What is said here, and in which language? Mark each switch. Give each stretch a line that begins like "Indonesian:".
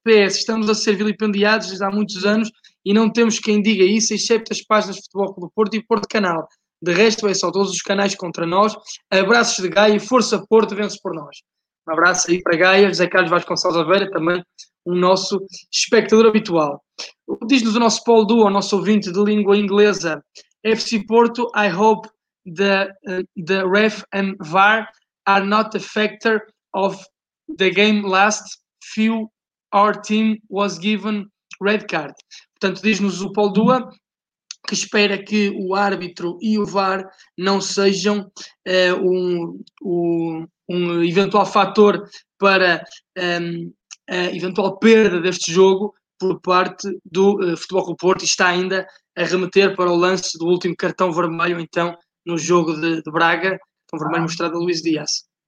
Portuguese: PS, estamos a ser vilipendiados desde há muitos anos e não temos quem diga isso, exceto as páginas de Futebol Clube Porto e Porto Canal. De resto, é só todos os canais contra nós. Abraços de Gaia e força Porto, vence por nós. Um abraço aí para Gaia, José Carlos Vasconcelos Oliveira, também o nosso espectador habitual. Diz-nos o nosso Paul Duo, o nosso ouvinte de língua inglesa.
English: FC Porto, I hope the ref and VAR are not a factor of the game last few our team was given red card.
Portuguese: Portanto, diz-nos o Paul Duo que espera que o árbitro e o VAR não sejam um eventual fator para a eventual perda deste jogo por parte do Futebol Clube Porto, e está ainda a remeter para o lance do último cartão vermelho, então, no jogo de Braga, cartão vermelho mostrado a Luís Dias.